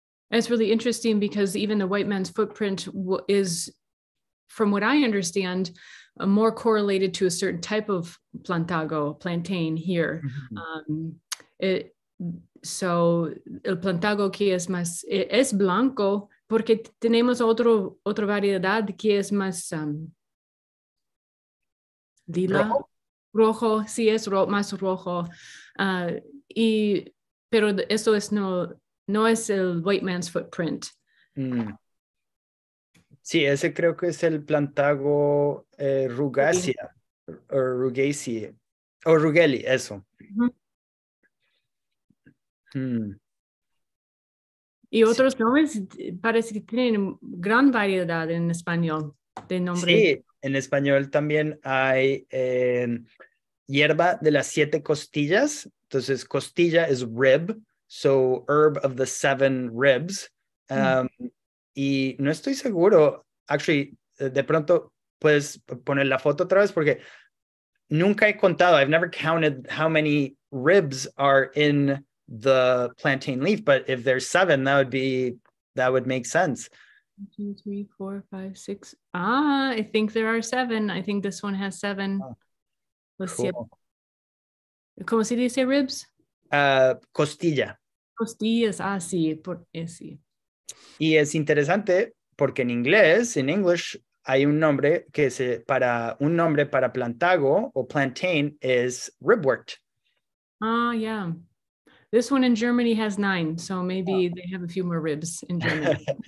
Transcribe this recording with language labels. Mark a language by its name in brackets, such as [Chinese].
[English] It's really interesting because even the white man's footprint is, from what I understand, more correlated to a certain type of plantago, plantain here. [Spanish] El plantago que es más, es blanco, porque tenemos otra variedad que es más lila, rojo, sí es más rojo. Pero eso es no es el white man's footprint. Sí, ese creo que es el plantago rugacea, o rugacea, o rugeli, eso. Y otros nombres, parece que tienen gran variedad en español de nombres. Sí, en español también hay hierba de las siete costillas. Entonces, costilla es [English] rib, so herb of the seven ribs. [Spanish] Y no estoy seguro. Actually, de pronto puedes poner la foto otra vez porque nunca he contado. [English] I've never counted how many ribs are in the plantain leaf, but if there's seven, that would make sense. 1, 2, 3, 4, 5, 6. I think there are seven. I think this one has seven. Oh, cool. [Spanish] ¿Cómo se dice [English] ribs? [Spanish] Costilla. Costillas. Sí. Sí. Y es interesante. Porque en inglés, [English] in English, [Spanish] hay un nombre que se para un nombre para plantago o plantain is ribwort. [English] Yeah. This one in Germany has 9, so maybe they have a few more ribs in Germany.